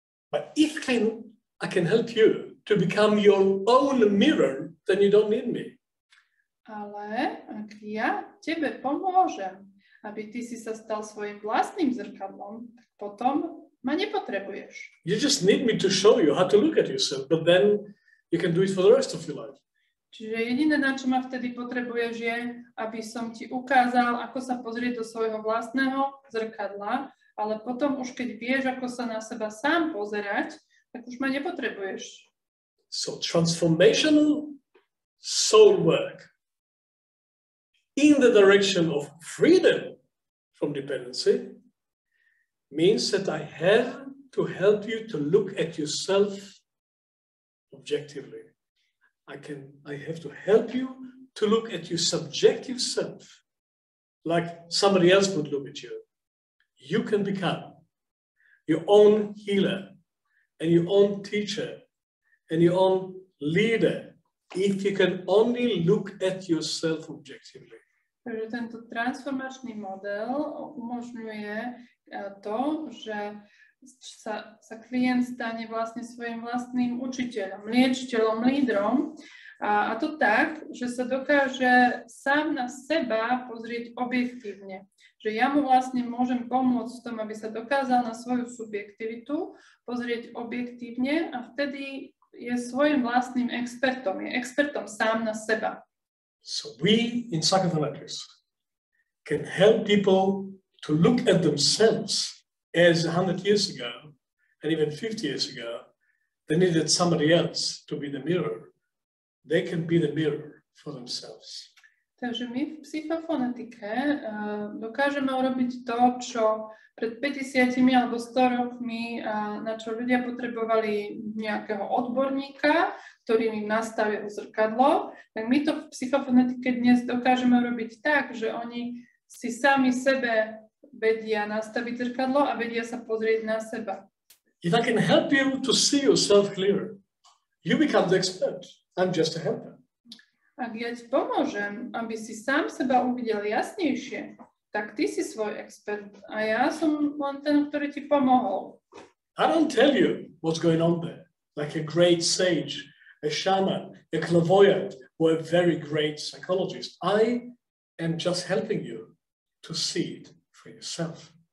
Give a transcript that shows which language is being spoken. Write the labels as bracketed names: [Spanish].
[English] But if I can help you to become your own mirror, then you don't need me. [Slovak] Ale ak ja tebe pomôžem, aby ty si sa stal svojim vlastným zrkadlom, tak potom ma nepotrebuješ. [English] You just need me to show you how to look at yourself, but then you can do it for the rest of your life. [Slovak] Čiže jediné, na čo ma vtedy potrebuješ, je, aby som ti ukázal, ako sa pozrieť do svojho vlastného zrkadla, ale potom už keď vieš, ako sa na seba sám pozerať, tak už ma nepotrebuješ. [English] So transformational soul work in the direction of freedom from dependency means that I have to help you to look at yourself objectively. I have to help you to look at your subjective self like somebody else would look at you. You can become your own healer and your own teacher and your own leader if you can only look at yourself objectively. [Slovak] Takže tento transformačný model umožňuje to, že sa klient stane vlastne svojim vlastným učiteľom, liečiteľom, lídrom. A to tak, že sa dokáže sám na seba pozrieť objektívne. Že ja mu vlastne môžem pomôcť v tom, aby sa dokázal na svoju subjektivitu pozrieť objektívne a vtedy je svojim vlastným expertom, je expertom sám na seba. [English] So we in psychotherapists can help people to look at themselves as 100 years ago and even 50 years ago, they needed somebody else to be the mirror. They can be the mirror for themselves. [Slovak] Takže my v psychofonetike dokážeme urobiť to, čo pred 50 alebo 100 rokmi, na čo ľudia potrebovali nejakého odborníka, ktorý im nastavil zrkadlo, tak my to v psychofonetike dnes dokážeme urobiť tak, že oni si sami sebe vedia nastaviť zrkadlo a vedia sa pozrieť na seba. [English] If I can help you to see yourself clearer, you become the expert. I'm just a helper. [Slovak] Ak ja ti pomôžem, aby si sám seba uvidel jasnejšie, tak ty si svoj expert a ja som len ten, ktorý ti pomohol. [English] I don't tell you what's going on there, like a great sage, a shaman, a clairvoyant, or a very great psychologist. I am just helping you to see it for yourself.